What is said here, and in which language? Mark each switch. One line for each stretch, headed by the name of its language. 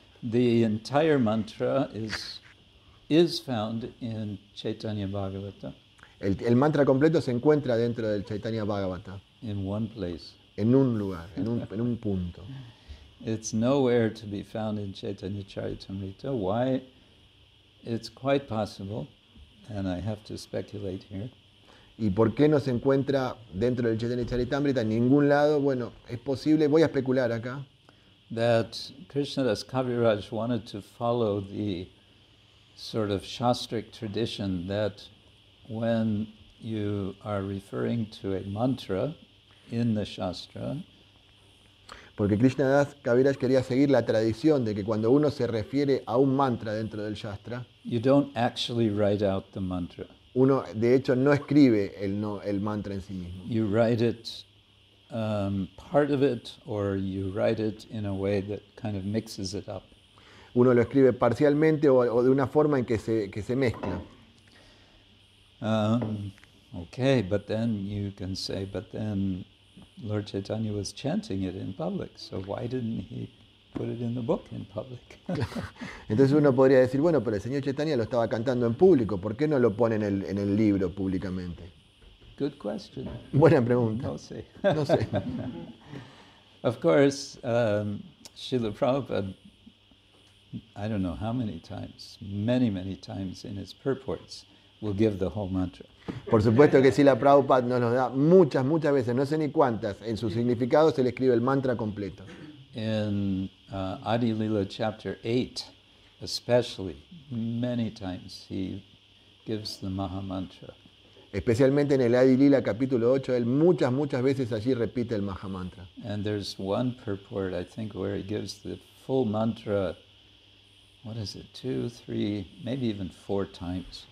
English: The entire mantra is found in Chaitanya Bhagavata.
Spanish: El mantra completo se encuentra dentro del Chaitanya Bhagavata.
English: In one place.
Spanish: En un lugar, en un punto.
English: It's nowhere to be found in Chaitanya Charitamrita. Why? It's quite possible, and I have to speculate here.
Spanish: ¿Y por qué no se encuentra dentro del Chaitanya Charitamrita? En ningún lado. Bueno, es posible, voy a especular acá.
English: That Krishna Das Kaviraj wanted to follow the sort of Shastric tradition that when you are referring to a mantra in the Shastra.
Spanish: Porque Krishna Das Kaviraj quería seguir la tradición de que cuando uno se refiere a un mantra dentro del Shastra,
English: you don't actually write out the mantra.
Spanish: Uno, de hecho, no escribe el mantra en sí mismo.
English: You write it, part of it, or you write it in a way that kind of mixes it up.
Spanish: Uno lo escribe parcialmente o de una forma en que se mezcla.
English: Okay, but then you can say, but then Lord Chaitanya was chanting it in public, so why didn't he put it in the book in public?
Spanish: Entonces uno podría decir, bueno, pero el señor Chaitanya lo estaba cantando en público, ¿por qué no lo pone en el libro públicamente?
English: Good question.
Spanish: Buena pregunta. No sé. No sé.
English: Of course, Srila Prabhupada, I don't know how many times, many, many times in his purports, will give the whole mantra.
Spanish: Por supuesto que Srila Prabhupada nos lo da muchas, muchas veces, no sé ni cuántas, en su significado se le escribe el mantra completo.
English: In Adi Lila chapter 8, especially, many times he gives the Maha Mantra.
Spanish: Especialmente en el Adi Lila capítulo 8, él muchas, muchas veces allí repite el Maha Mantra.
English: And there's one purport, I think, where he gives the full mantra, what is it, 2, 3, maybe even 4 times.